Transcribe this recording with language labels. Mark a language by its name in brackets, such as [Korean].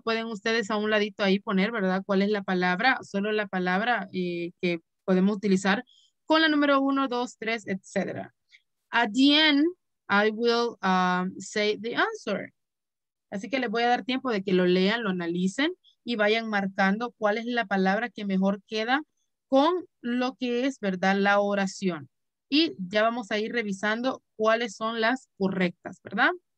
[Spanish] Pueden ustedes a un ladito ahí poner, ¿verdad? ¿Cuál es la palabra? Solo la palabra que podemos utilizar con la número uno, dos, tres, etc. [English] At the end, I will say the answer. [Spanish] Así que les voy a dar tiempo de que lo lean, lo analicen y vayan marcando cuál es la palabra que mejor queda con lo que es, ¿verdad? La oración. Y ya vamos a ir revisando cuáles son las correctas, ¿verdad?